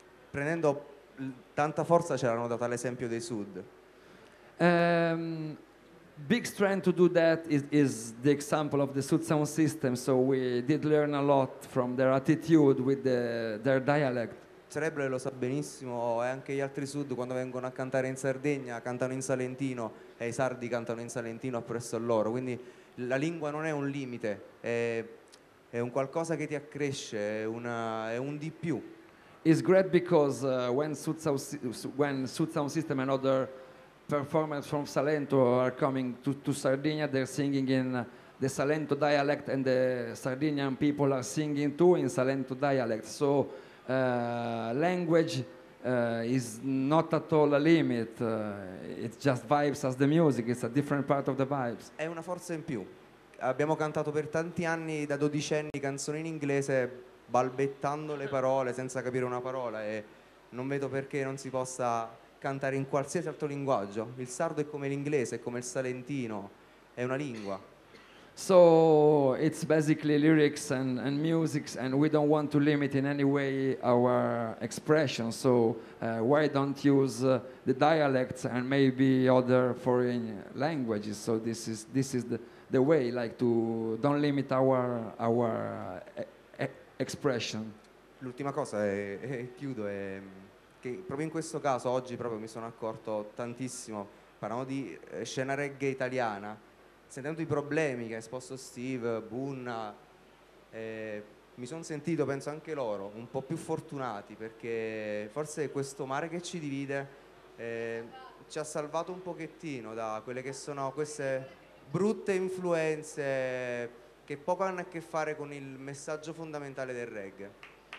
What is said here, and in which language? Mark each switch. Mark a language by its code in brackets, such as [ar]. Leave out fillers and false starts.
[it] Prendendo tanta forza ce l'hanno data l'esempio dei Sud. [en] Big strength to do that is the example of the Sud sound system, so we did learn a lot from their attitude with their dialect. [it] Trebbe lo sa benissimo, e anche gli altri Sud quando vengono a cantare in Sardegna cantano in salentino, e i sardi cantano in salentino presso loro, quindi la lingua non è un limite, è un qualcosa che ti accresce, è un di più. [en] It's great because when Sud Sound System and other performers from Salento are coming to Sardinia, they're singing in the Salento dialect, and the Sardinian people are singing too in Salento dialect. So language is not at all a limit. It's just vibes as the music. It's a different part of the vibes. [it] È una forza in più. Abbiamo cantato per tanti anni, da 12 anni, canzoni in inglese, balbettando le parole senza capire una parola, e non vedo perché non si possa cantare in qualsiasi altro linguaggio. Il sardo è come l'inglese, è come il salentino, è una lingua. [en] So it's basically lyrics and music, and we don't want to limit in any way our expression, so why don't use the dialects and maybe other foreign languages? So this is the way, like, to don't limit our expression. [it] L'ultima cosa e chiudo che proprio in questo caso oggi proprio mi sono accorto tantissimo, parlando di scena reggae italiana, sentendo i problemi che ha esposto Steve, Bunna, mi sono sentito, penso anche loro, un po' più fortunati, perché forse questo mare che ci divide ci ha salvato un pochettino da quelle che sono queste brutte influenze che poco hanno a che fare con il messaggio fondamentale del reggae.